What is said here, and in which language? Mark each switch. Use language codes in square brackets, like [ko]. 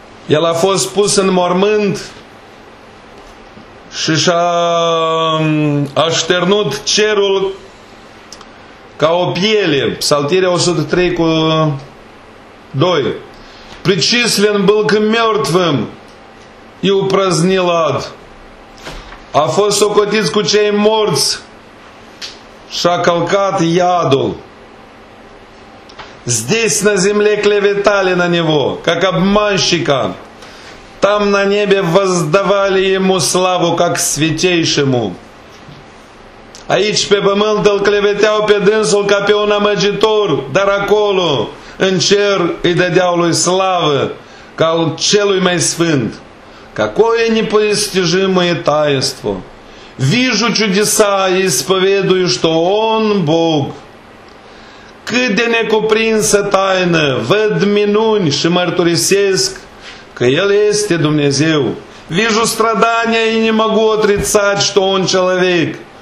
[ro] El a fost pus în mormânt și și-a așternut cerul ca o piele. Psaltirea 103:2. [ru] Причислен был к мертвым и упразднил ад. [ro] A fost socotit cu cei morți și-a călcat iadul. [ru] Здесь на земле клеветали на него, как обманщика. Там на небе воздавали ему славу, как святейшему. [ro] Aici pe pământ îl cleveteau pe dânsul ca pe un amăgitor, dar acolo, în cer, îi dădeau lui slavă, ca al celui mai sfânt. [ru] Какое непостижимое таинство! Вижу чудеса и исповедую, что Он Бог. [ro] Cât de necuprinsă taină, văd minuni și mărturisesc că El este Dumnezeu. [ru] Вижу страдания и не могу отрицать, что Он человек.